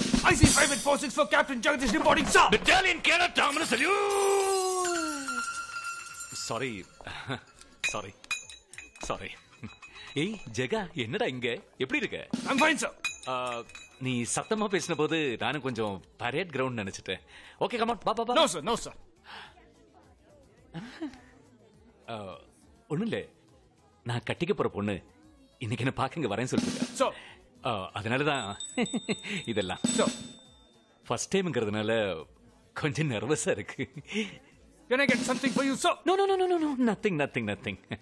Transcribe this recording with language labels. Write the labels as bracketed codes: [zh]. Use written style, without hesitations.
[en] I see private 464 Captain Jagadish reporting, sir. Battalion cadet terminus salute. Sorry. Sorry. Sorry. Hey, Jaga, [ta] என்னடா இங்க? எப்படி இருக்க? [en] I'm fine, sir. [ta] நீ சத்தமா பேசின போது நானும் கொஞ்சம் பரேட் கிரவுண்ட் நினைச்சிட்டேன். [en] Okay, come on. Bye, bye, bye. No, sir. No, sir. [ta] ஒண்ணுல்ல, நான் கட்டிக்க போற பொண்ணு இன்னைக்கு என்ன பாக்கங்க வரேன்னு சொல்லிட்டு. சோ அதனாலதான் இதெல்லாம். சோ ஃபர்ஸ்ட் டைம்ங்கிறதுனால கொஞ்சம் நர்வஸா இருக்கு. [en] Can I get something for you, sir? No, no, no, no, no, no. Nothing, nothing, nothing.